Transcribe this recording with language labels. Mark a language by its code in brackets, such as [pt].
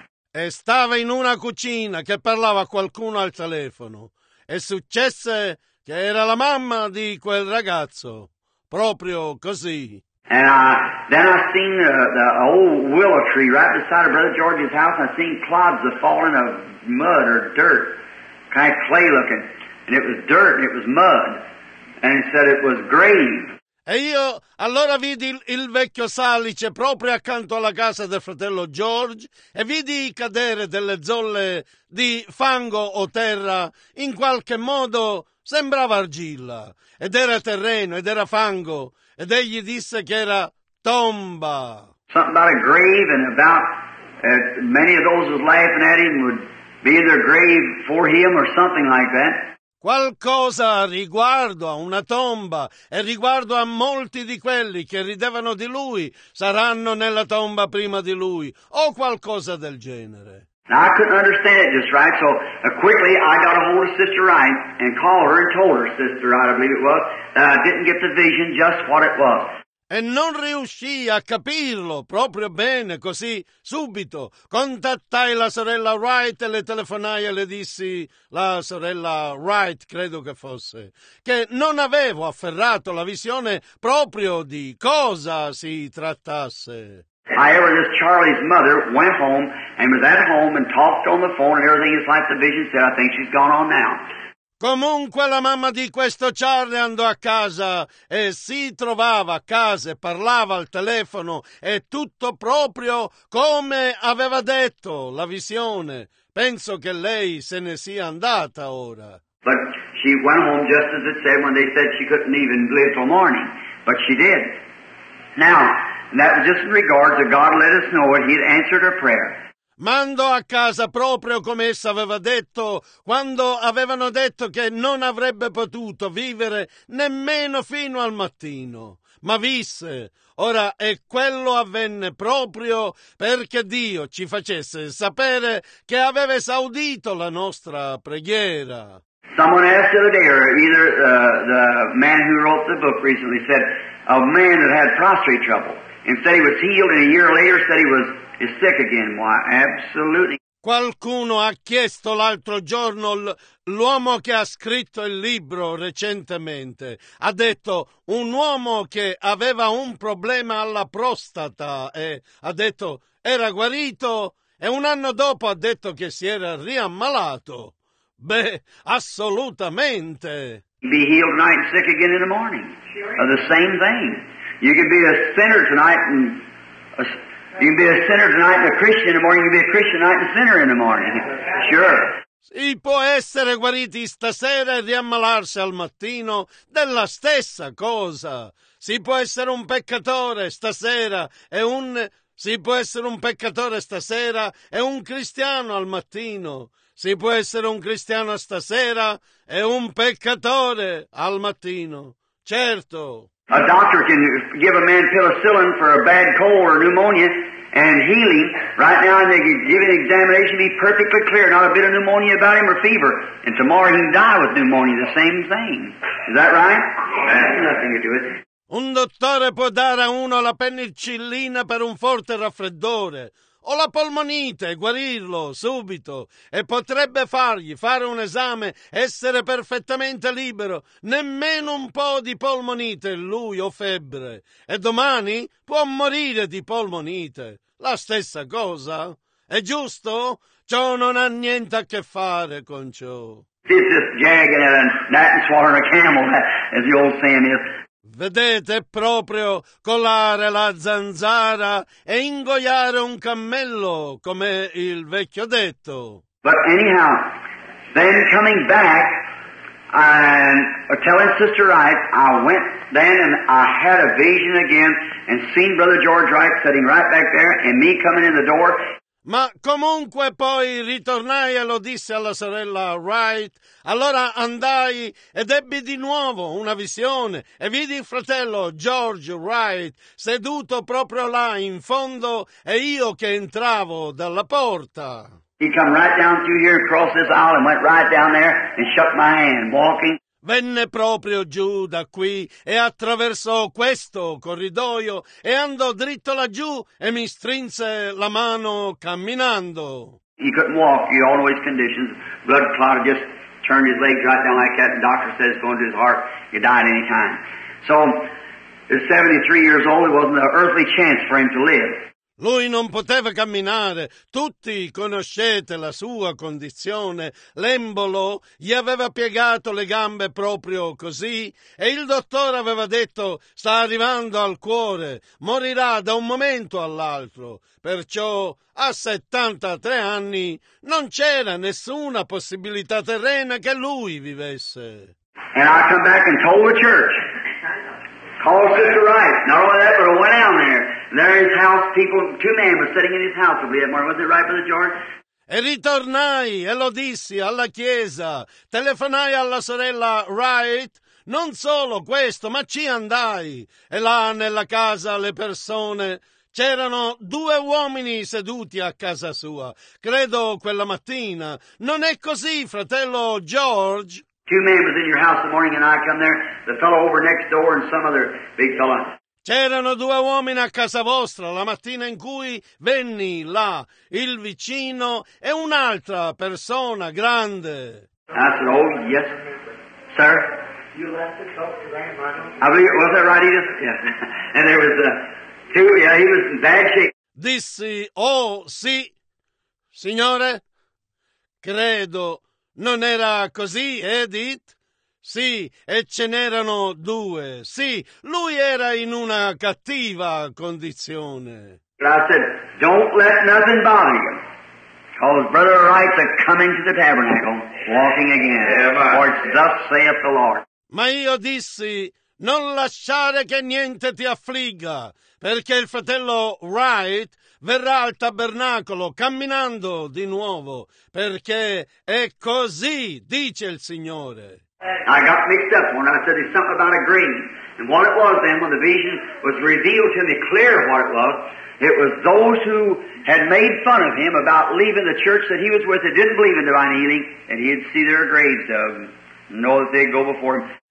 [it] E stava in una cucina che parlava a qualcuno al telefono e successe che era la mamma di quel ragazzo, proprio così. [en] And then I seen the old willow tree right beside of Brother George's house, and I seen clods of falling of mud or dirt, kind of clay looking, and it was dirt and it was mud, and he said it was grave. [it] E io allora vidi il vecchio salice proprio accanto alla casa del fratello George e vidi cadere delle zolle di fango o terra. In qualche modo sembrava argilla ed era terreno ed era fango ed egli disse che era tomba. [en] Something about a grave and about many of those who was laughing at him would be in their grave for him or something like that. [it] Qualcosa riguardo a una tomba e riguardo a molti di quelli che ridevano di lui saranno nella tomba prima di lui o qualcosa del genere. [en] Now, I couldn't understand it just right, so quickly I got a hold of Sister Wright and called her and told her, Sister Wright, I believe it was, that I didn't get the vision just what it was. [it] E non riuscii a capirlo proprio bene, così subito contattai la sorella Wright e le telefonai e le dissi, la sorella Wright credo che fosse, che non avevo afferrato la visione proprio di cosa si trattasse. [en] However, this Charlie's mother went home and was at home and talked on the phone and everything is like the vision said, I think she's gone on now. [it] Comunque la mamma di questo Charlie andò a casa e si trovava a casa e parlava al telefono e tutto proprio come aveva detto la visione. Penso che lei se ne sia andata ora. [en] But she went home just as it said when they said she couldn't even live till morning. But she did. Now, that was just in regard to God let us know it. He'd answered her prayer. [it] Mandò a casa proprio come essa aveva detto, quando avevano detto che non avrebbe potuto vivere nemmeno fino al mattino. Ma visse. Ora, e quello avvenne proprio perché Dio ci facesse sapere che aveva esaudito la nostra preghiera. [en] Someone asked the other day, or either the man who wrote the book recently said, a man that had prostate trouble, and said he was healed, and a year later said he was... is sick again. Why? Absolutely. [it] Qualcuno ha chiesto l'altro giorno, l'uomo che ha scritto il libro recentemente, ha detto un uomo che aveva un problema alla prostata e ha detto era guarito e un anno dopo ha detto che si era riammalato. Beh, assolutamente. [en] Be healed tonight and sick again in the morning. Sure. Of the same thing. You could be a sinner tonight and... You can be a sinner tonight and a Christian in the morning. You can be a Christian tonight and a sinner in the morning. Sure. [it] Si può essere guariti stasera e riammalarsi al mattino della stessa cosa. Si può essere un peccatore stasera e un... Si può essere un peccatore stasera e un cristiano al mattino. Si può essere un cristiano stasera e un peccatore al mattino. Certo. [en] A doctor can give a man penicillin for a bad cold or pneumonia and healing. Right now they can give an examination, be perfectly clear, not a bit of pneumonia about him or fever. And tomorrow he can die with pneumonia, the same thing. Is that right? That has nothing to do with it. [it] Un dottore può dare a uno la penicillina per un forte raffreddore o la polmonite e guarirlo subito e potrebbe fargli fare un esame, essere perfettamente libero, nemmeno un po' di polmonite lui o febbre e domani può morire di polmonite. La stessa cosa? È giusto? Ciò non ha niente a che fare con ciò. [en] This is jagging at a gnat and swallowing a camel, as the old saying is. [it] Vedete, proprio colare la zanzara e ingoiare un cammello, come il vecchio detto. [en] But anyhow, then coming back, and telling Sister Wright, I went then and I had a vision again and seen Brother George Wright sitting right back there and me coming in the door. [it] Ma comunque poi ritornai e lo dissi alla sorella Wright. Allora andai ed ebbi di nuovo una visione e vidi il fratello George Wright seduto proprio là in fondo e io che entravo dalla porta. [en] He come right down through here across this aisle and went right down there and shook my hand walking. [it] Venne proprio giù da qui e attraversò questo corridoio e andò dritto laggiù e mi strinse la mano camminando. [en] He couldn't walk, he had all his conditions. Blood clotted, just turned his legs right down like that. The doctor says it's going to his heart, you die at any time. So, he's 73 years old, it wasn't an earthly chance for him to live. [it] Lui non poteva camminare, tutti conoscete la sua condizione, l'embolo gli aveva piegato le gambe proprio così e il dottore aveva detto sta arrivando al cuore, morirà da un momento all'altro, perciò a 73 anni non c'era nessuna possibilità terrena che lui vivesse. [en] And I come back and told the church. Call Sister Wright. Not only that, but I went down there. There in his house, people, two men were sitting in his house. We had more. Was it right, Brother George? [it] E ritornai e lo dissi alla chiesa. Telefonai alla sorella Wright. Non solo questo, ma ci andai. E là nella casa le persone. C'erano due uomini seduti a casa sua. Credo quella mattina. Non è così, fratello George? [en] Two men was in your house the morning and I come there, the fellow over next door and some other big fellow. [it] C'erano due uomini a casa vostra la mattina in cui venni là, il vicino e un'altra persona grande. [en] I said, oh, yes, sir. You left to talk to Grandma. I believe, was that right, Edith? Yes. Yeah. And there was two, yeah, he was in bad shape. [it] Dissi, oh, sì, signore, credo. Non era così, Edith? Sì, e ce n'erano due. Sì, lui era in una cattiva condizione. [en] But I said, don't let nothing bother you. Because Brother Wright's coming to the tabernacle, walking again. For thus saith the Lord. [it] Ma io dissi, non lasciare che niente ti affligga, perché il fratello Wright verrà al tabernacolo camminando di nuovo, perché è così, dice il Signore. [en] I got mixed up when I said there's something about a green. And what it was then, when the vision was revealed to me clear what it was those who had made fun of him about leaving the church that he was with that didn't believe in divine healing, and he'd see their graves of them, know that they'd go before him.